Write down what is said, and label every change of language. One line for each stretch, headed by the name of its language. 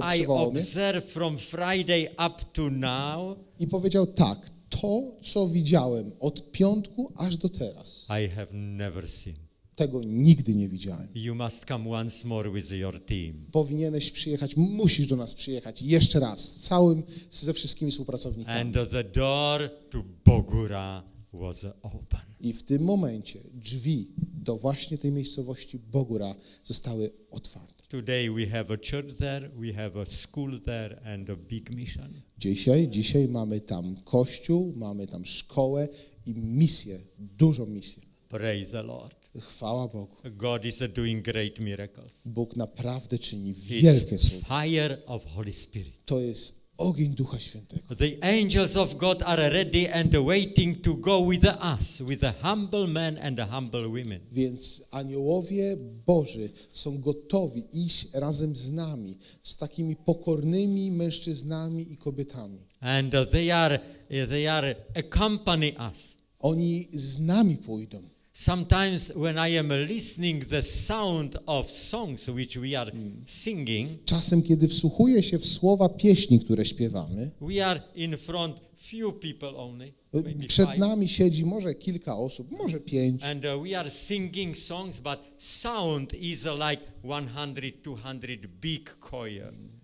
English: mnie. I observed from Friday up to now.
Polish: I powiedział tak, to, co widziałem od piątku aż do teraz.
English: I have never seen.
Polish: Tego nigdy nie widziałem.
English: You must come once more with your team.
Polish: Powinieneś przyjechać, musisz do nas przyjechać jeszcze raz, ze wszystkimi współpracownikami.
English: And the door to Bogura was open.
Polish: I w tym momencie drzwi do właśnie tej miejscowości Bogura zostały otwarte.
English: Today we have a church there, we have a school there and a big mission.
Polish: Dzisiaj mamy tam kościół, mamy tam szkołę i misję, dużą misję.
English: Praise the Lord.
Polish: Chwała Bogu.
English: God is doing great miracles.
Polish: Bóg naprawdę czyni wielkie cuda.
English: Fire of Holy Spirit.
Polish: To jest ogień Ducha Świętego.
English: The angels of God are ready and waiting to go with us, with the humble men and the humble women.
Polish: Więc aniołowie Boży są gotowi iść razem z nami, z takimi pokornymi mężczyznami i kobietami.
English: And they are accompany us.
Polish: Oni z nami pójdą.
English: Sometimes when I am listening the sound of songs which we are singing,
Polish: czasem kiedy wsłuchuję się w słowa pieśni, które śpiewamy,
English: we are in front few people only,
Polish: przed nami
English: five.
Polish: Siedzi może kilka osób, może pięć.
English: And we are singing songs, but sound is like 100-200 big choir.